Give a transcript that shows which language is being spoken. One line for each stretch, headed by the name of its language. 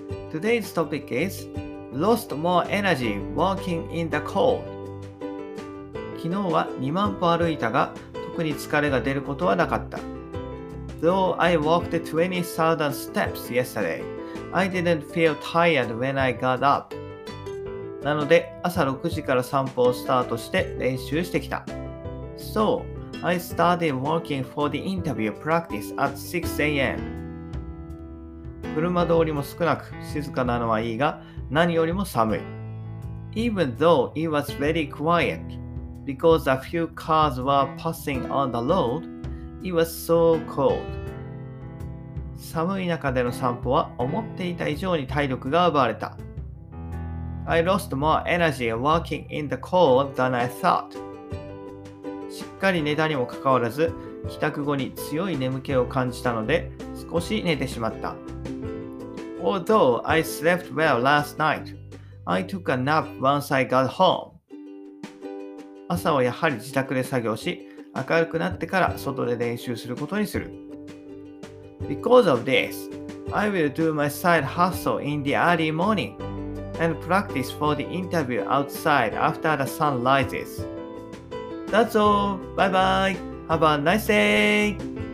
English: Today's topic is Lost more energy walking in the cold.
Japanese: 昨日は2万歩歩いたが、特に疲れが出ることはなかった。
English: Though I walked 20,000 steps yesterday, I didn't feel tired when I got up.
Japanese: なので、朝6時から散歩をスタートして練習してきた。
English: So, I started walking for the interview practice at 6 a.m.
Japanese: 車通りも少なく、静かなのはいいが、何よりも寒い。
English: Even though it was very quiet, because a few cars were passing on the road,It was so cold.
Japanese: 寒い中での散歩は思っていた以上に体力が奪われた。
English: I lost more energy walking in the cold than I thought.
Japanese: しっかり寝たにもかかわらず、帰宅後に強い眠気を感じたので、少し寝てしまった。
English: Although I slept well last night, I took a nap once I got home.
Japanese: 朝はやはり自宅で作業し、明るくなってから外で練習することにする。
English: Because of this, I will do my side hustle in the early morning and practice for the interview outside after the sun rises. That's all. Bye bye. Have a nice day.